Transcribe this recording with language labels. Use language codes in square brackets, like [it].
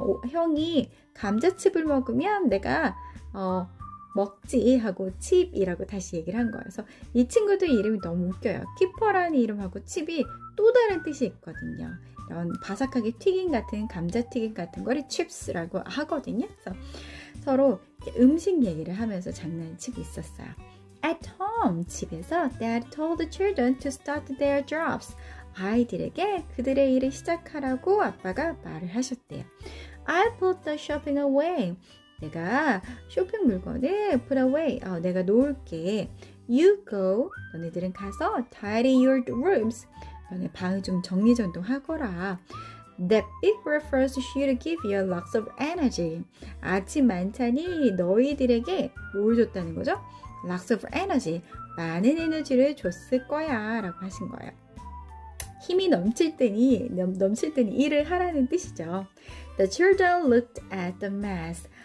[ko] 형이 감자칩을 먹으면 내가 먹지 하고 칩이라고 다시 얘기를 한 거예요. 그래서 이 친구도 이름이 너무 웃겨요. 키퍼라는 이름하고 칩이 또 다른 뜻이 있거든요. 이런 바삭하게 튀김 같은 감자튀김 같은 거를 칩스라고 하거든요. 그래서 서로 음식 얘기를 하면서 장난칩이 있었어요. [en] At home, [ko] 집에서 [en] Dad told the children to start their jobs. [ko] 아이들에게 그들의 일을 시작하라고 아빠가 말을 하셨대요. [en] I put the shopping away. [ko] 내가 쇼핑 물건을 [en] put away. [ko] 내가 놓을게. [en] You go. [ko] 너네들은 가서 [en] tidy your rooms. [ko] 너네 방을 좀 정리전동 하거라. [en] That big breakfast should give you lots of energy. [ko] 아침 만찬이 너희들에게 뭘 줬다는 거죠? [en] Lots of energy. [ko] 많은 에너지를 줬을 거야 라고 하신 거예요. 힘이 넘칠 테니 일을 하라는 뜻이죠. [en] The children looked at the mess.